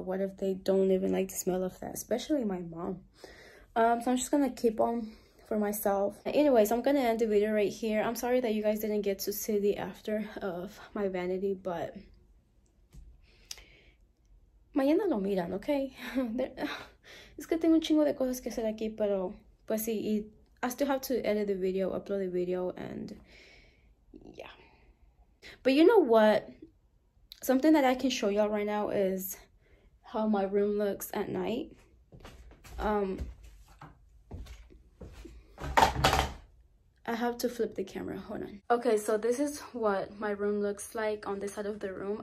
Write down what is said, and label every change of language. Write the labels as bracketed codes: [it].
[en] What if they don't even like the smell of that, especially my mom. So I'm just gonna keep them for myself. Anyways, I'm gonna end the video right here. I'm sorry that you guys didn't get to see the after of my vanity, but [es] mañana lo miran, [en] okay? [es] Es que tengo un chingo de cosas que hacer aquí, pero pues sí, y [en] I still have to edit the video, upload the video, and yeah. But you know what? Something that I can show y'all right now is how my room looks at night. I have to flip the camera, hold on. Okay, so this is what my room looks like on this side of the room.